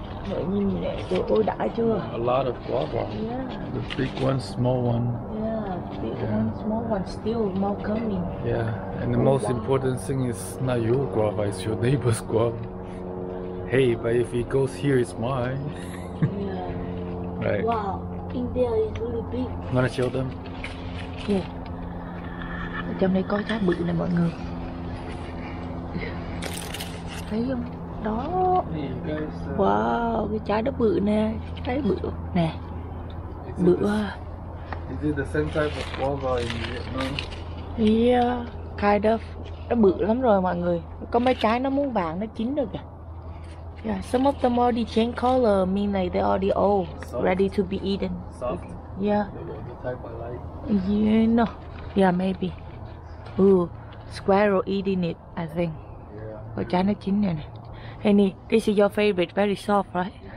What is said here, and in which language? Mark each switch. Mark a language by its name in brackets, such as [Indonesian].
[Vietnamese] Mọi người nhìn này, trời ơi, đã chưa? [English] A lot of guava. Yeah. The big one, small one. Yeah, big yeah. One, small one, still more coming. Yeah, and the most important thing is not your guava, it's your neighbor's guava. Hey, but if it goes here, it's mine. Yeah. Right. Wow, in there is really big. I'm gonna show them. Yeah. [Vietnamese] Ở trong đây có trái bự này mọi người. Thấy không? Đó. Wow, cái trái đó bự nè, trái bự nè. Bự. [English] Is it the same type of guava in Vietnam? Yeah, kind of. [Vietnamese] Nó bự lắm rồi mọi người. Có mấy trái nó muốn vàng, nó chín rồi kìa. [English] Yeah, some of them already change color, mean like they already old, soft. Ready to be eaten. Soft. Yeah. The type I like. Yeah, no. Yeah, maybe. Ooh, squirrel eating it, I think. Yeah. [Vietnamese] Cái trái nó chín rồi nè. [English] Henny, this is your favorite, very soft, right?